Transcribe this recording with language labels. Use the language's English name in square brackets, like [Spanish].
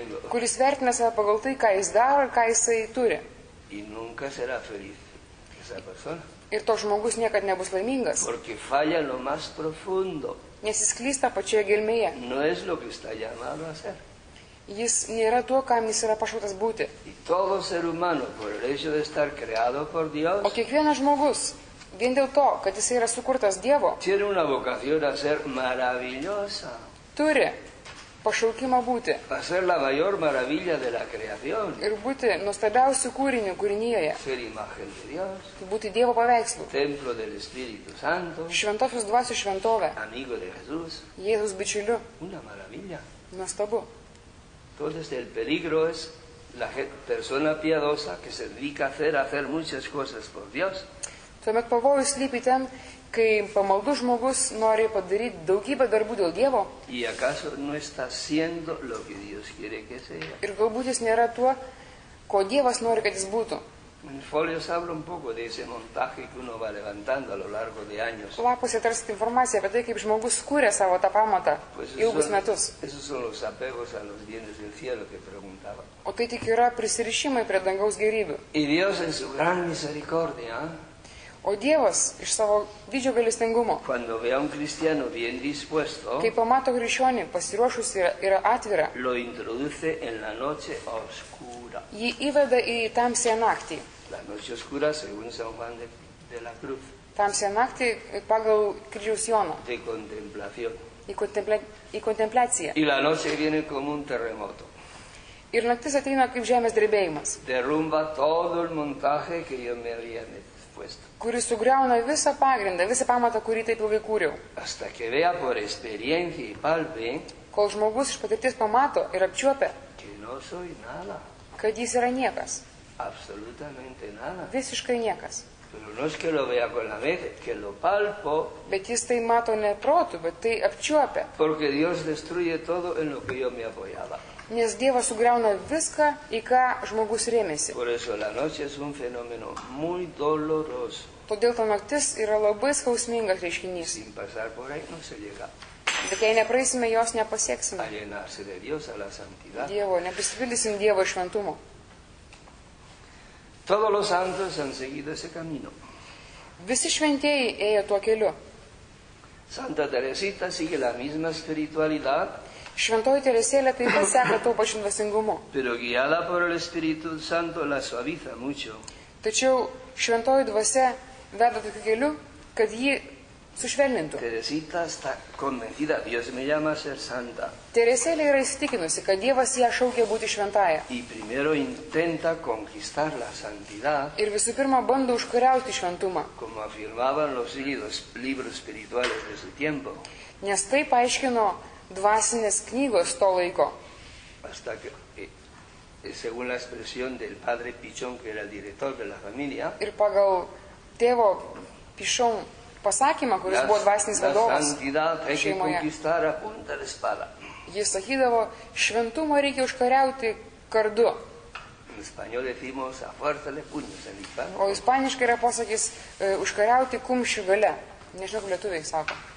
[Lithuanian] Kuris vertina savo pagal tai, ką jis daro ir ką jisai turi. [Spanish] Y nunca será feliz esa persona. [Lithuanian] Ir to žmogus niekad nebus laimingas. [Spanish] Porque falla lo más profundo. [Lithuanian] Nes jis klysta pačioje gilmėje. [Spanish] No es lo que está llamado a ser. [Lithuanian] Jis nėra tuo, kam jis yra pašautas būti. [Spanish] Y todo ser humano, por el hecho de estar creado por Dios. [Lithuanian] O kiekvienas žmogus. Vien dėl to, kad jisai yra sukurtas Dievo. [Spanish] Tiene una vocación a ser maravillosa. [Lithuanian] Turi. Pašaukimą būti. [Spanish] Hacer la mayor maravilla de la creación. [Lithuanian] Ir būti nuostabiausiu kūriniu kūrinijoje. [Spanish] Ser imagen de Dios. [Lithuanian] Būti Dievo paveikslu. [Spanish] Templo del Espíritu Santo. [Lithuanian] Šventosios dvasios šventovė. [Spanish] Amigo de Jesús. [Lithuanian] Jėzus bičiuliu. [Spanish] Una maravilla. [Lithuanian] Nuostabu. [Spanish] Entonces el peligro es la persona piadosa que se dedica a hacer muchas cosas por Dios. [Lithuanian] Tuomet pavojus slypi ten, kai pamaldus žmogus nori padaryti daugybę darbų dėl Dievo. [Spanish] Y acaso no está siendo lo que Dios quiere que sea. [Lithuanian] Ir galbūt jis nėra tuo, ko Dievas nori, kad jis būtų. [Spanish] En folios hablo un poco de ese montaje que uno va levantando a lo largo de años. [Lithuanian] Lapuose tarsi informacija apie tai, kaip žmogus kūrė savo tą pamatą ilgus metus. [Spanish] Esos son los apegos a los bienes del cielo que preguntaba. [Lithuanian] O tai tik yra prisirišimai prie dangaus gėrybių. [Spanish] Y Dios en su gran misericordia. [Lithuanian] O Dievas iš savo didžio galistingumo. [Spanish] Cuando ve a un cristiano bien dispuesto. [Lithuanian] Kai pamato krikščionį pasiruošusį ir atvirą. [Spanish] Lo introduce en la noche oscura. [Lithuanian] Jį įveda į tamsią naktį. [Spanish] La noche oscura según San Juan de la Cruz. [Lithuanian] Tamsią naktį pagal kryžiaus Joną. [Spanish] De contemplación. [Lithuanian] Į kontempliaciją. [Spanish] Y la noche viene como un terremoto. [Lithuanian] Ir naktis ateina kaip žemės drebėjimas. [Spanish] Derrumba todo el montaje que yo me había puesto. [Lithuanian] Kuris sugriauna visą pagrindą, visą pamatą, kurį taip ilgai kūriau. [Spanish] Hasta que vea por experiencia y palpe, [Lithuanian] kol žmogus iš patirties pamato ir apčiuopia, [Spanish] que no soy nada. [Lithuanian] Kad jis yra niekas. [Spanish] Absolutamente nada. [Lithuanian] Visiškai niekas. [Spanish] Pero no es que lo vea con la mente, que lo palpo. [Lithuanian] Bet jis tai mato ne protu, bet tai apčiuopia. [Spanish] Porque Dios destruye todo en lo que yo me apoyaba. [Lithuanian] Nes Dievas sugriauna viską, į ką žmogus rėmėsi. [Spanish] Por eso la noche es un fenómeno muy doloroso. [Lithuanian] Todėl ta naktis yra labai skausmingas reiškinys. [Spanish] Sin pasar por ahí no se llega. [Lithuanian] Bet jei nepraeisime, jos nepasieksime. [Spanish] A llenarse de Dios a la santidad. [Lithuanian] Dievo, neprisipildysim Dievo šventumo. [Spanish] Todos los santos han seguido ese camino. [Lithuanian] Visi šventieji ėjo tuo keliu. [Spanish] Santa Teresita sigue la misma espiritualidad. [Lithuanian] Šventoji Teresėlė taip pat seka tuo pačiu dvasingumu. [Spanish] Pero guiada por el Espíritu Santo la suaviza mucho. [Lithuanian] Tačiau šventoji dvasia veda tokiu keliu, kad ji sušvelnintų. [Spanish] Teresita sta convencida, Dios me llama a ser santa. [Lithuanian] Teresėlė yra įsitikinusi, kad Dievas ją šaukia būti šventaja. [Spanish] Y primero intenta conquistar la santidad. [Lithuanian] Ir visų pirma bando užkariauti šventumą. [Spanish] Como afirmaban los siglos libros espirituales de su tiempo. [Lithuanian] Nes taip aiškino dvasinės knygos to laiko. [Spanish] Hasta que según la expresión del padre Pichón, que era el director de la familia. [Lithuanian] Ir pagal tėvo Pichón pasakymą, kuris buvo dvasinis vadovas. Jis sakydavo, šventumą reikia užkariauti kardu. O ispaniškai yra posakis užkariauti kumščių gale. Nežinau, kur lietuviai sako.